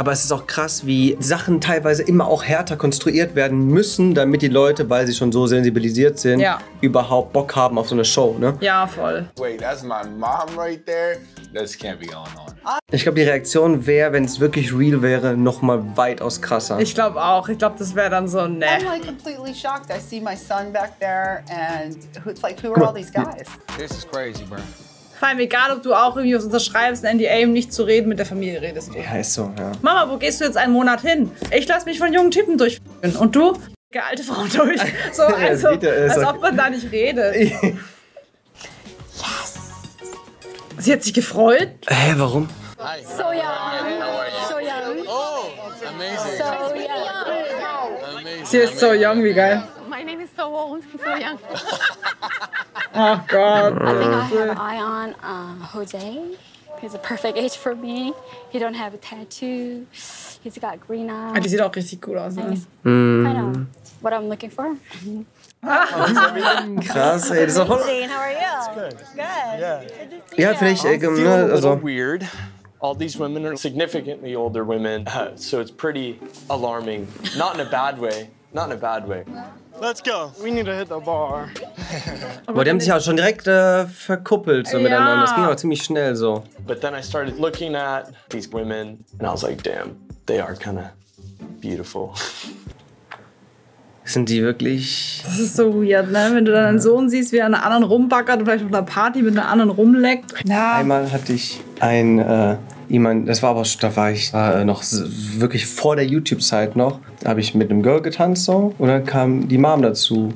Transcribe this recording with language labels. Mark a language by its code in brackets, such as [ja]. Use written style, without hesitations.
[de] Aber es ist auch krass, wie Sachen teilweise immer auch härter konstruiert werden müssen, damit die Leute, weil sie schon so sensibilisiert sind, überhaupt Bock haben auf so eine Show, ne? Ja, voll. [en] Wait, that's my mom right there. This can't be going on. [de] Ich glaube, die Reaktion wäre, wenn es wirklich real wäre, noch mal weitaus krasser. Ich glaube auch. Ich glaube, das wäre dann so, ne. [en] I'm like completely shocked. I see my son back there and it's like, who are all these guys? This is crazy, bro. [de] Vor allem egal, ob du auch irgendwie was unterschreibst, ein NDA, um nicht zu reden, mit der Familie redest du. Ja, ist so, ja. Mama, wo gehst du jetzt einen Monat hin? Ich lass mich von jungen Typen durchführen. Und du? Geh alte Frau durch. So, also, als ob man da nicht redet. [en] Yes! [de] Sie hat sich gefreut. Hä, warum? [en] Hi. So young. Hi, so young. Oh, amazing. So young. [de] Sie ist [en] so young, [de] wie geil. [en] My name is so old, so young. [de] Oh Gott. [en] I think I have an eye on Jose. He's a perfect age for me. He don't have a tattoo. He's got green eyes. [de] Ah, die sieht auch richtig cool aus. [en] Kind of what I'm looking for. [de] Oh, krass, ey, das ist auch voll. [en] Jane, how are you? It's good. Good. Yeah. [de] Ja, finde ich irgendwie also weird. [en] All these women are significantly older women, so it's pretty alarming. Not in a bad way. Not in a bad way. Let's go. We need to hit the bar. [de] Aber die haben sich ja schon direkt verkuppelt so miteinander. Das ging auch ziemlich schnell so. [en] But then I started looking at these women and I was like, damn, they are kind of beautiful. [de] Sind die wirklich... Das ist so weird, ne? Wenn du deinen Sohn siehst, wie er einen anderen rumbackert und vielleicht auf einer Party mit einer anderen rumleckt. Ja. Einmal hatte ich ein... jemand, das war aber schon, da war ich noch wirklich vor der YouTube-Zeit noch, habe ich mit einem Girl getanzt so und dann kam die Mom dazu.